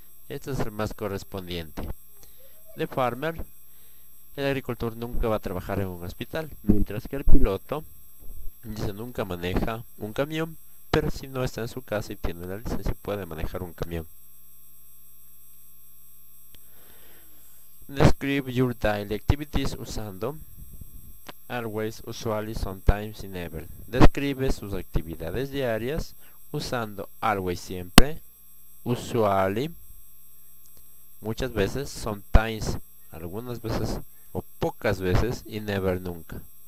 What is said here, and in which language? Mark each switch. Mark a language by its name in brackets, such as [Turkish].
[Spanish] Este es el más correspondiente. [English] The farmer. [Spanish] El agricultor nunca va a trabajar en un hospital. Mientras que el piloto dice nunca maneja un camión. Pero si no está en su casa y tiene la licencia, puede manejar un camión. [English] Describe your daily activities usando always, usually, sometimes y never. [Spanish] Describe sus actividades diarias usando always, siempre, usually, muchas veces, sometimes, algunas veces o pocas veces y never, nunca.